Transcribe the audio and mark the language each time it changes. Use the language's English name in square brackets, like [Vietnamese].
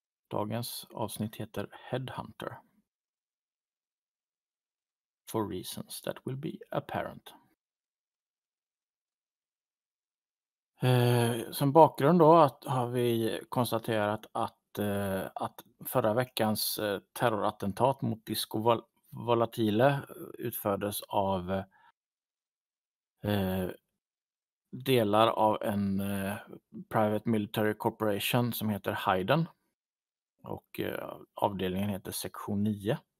[Swedish] Dagens avsnitt heter Headhunter. [English] For reasons that will be apparent. [Swedish] Som bakgrund då har vi konstaterat att förra veckans terrorattentat mot Disco Volatile utfördes av delar av en [English] private military corporation [Swedish] som heter Haydn, och avdelningen heter sektion 9.